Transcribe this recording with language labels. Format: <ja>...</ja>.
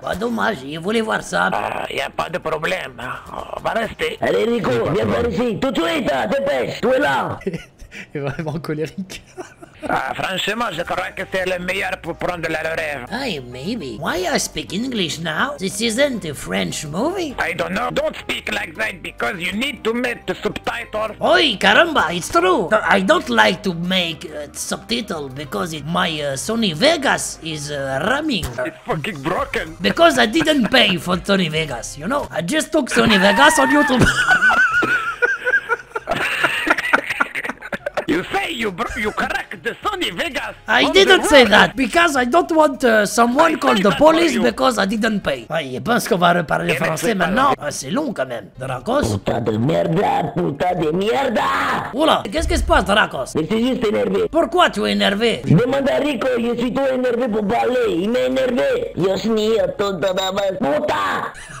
<fr>Bah dommage, je voulais voir ça. Y a pas de problème, on va rester. Allez Rico, viens par ici, tout de suite, dépêche, tu es là. Il est vraiment colérique. Franchement, je crois que c'est le meilleur pour prendre la relève.</fr> <en>Hey, maybe. Why I speak English now? This isn't a French movie. I don't know. Don't speak like that because you need to make the subtitle. Oi, caramba, it's true. I don't like to make subtitle because Sony Vegas is ramming. It's fucking broken. Because I didn't pay for Sony Vegas, you know? I just took Sony Vegas on YouTube. You say you cracked the Sony Vegas. I didn't say that because I don't want someone call the police because I didn't pay.</en> <fr>Ouais, je pense qu'on va reparler français maintenant. Ah, c'est long quand même. Dracos. Putain de merde. Oula, qu'est-ce qui se passe, Dracos? Mais c'est juste énervé. Pourquoi tu es énervé? Demande à Rico, je suis tout énervé pour parler. Il m'a énervé. Yo snio tonto d'avance. Putain.</fr>